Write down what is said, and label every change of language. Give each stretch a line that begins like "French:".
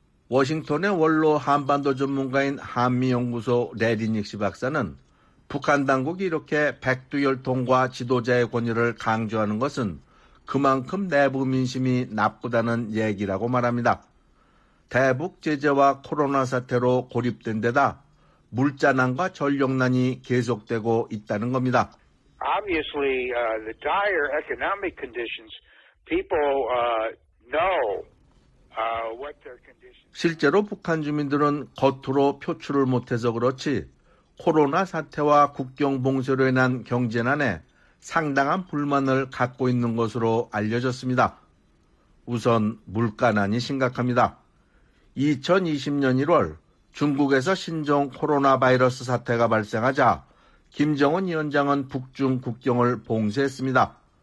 Korean: 워싱턴의 원로 한반도 전문가인 한미연구소 레디닉시 박사는 북한 당국이 이렇게 백두혈통과 지도자의 권위를 강조하는 것은 그만큼 내부 민심이 나쁘다는 얘기라고 말합니다. 대북 제재와 코로나 사태로 고립된 데다 물자난과 전력난이 계속되고 있다는 겁니다.
English: Obviously, the dire economic conditions, people know what their conditions.
Korean: 실제로 북한 주민들은 겉으로 표출을 못해서 그렇지 코로나 사태와 국경 봉쇄로 인한 경제난에 상당한 불만을 갖고 있는 것으로 알려졌습니다. 우선 물가난이 심각합니다. 2020년 1월 중국에서 신종 코로나 바이러스 사태가 발생하자 김정은 위원장은 북중 국경을 봉쇄했습니다.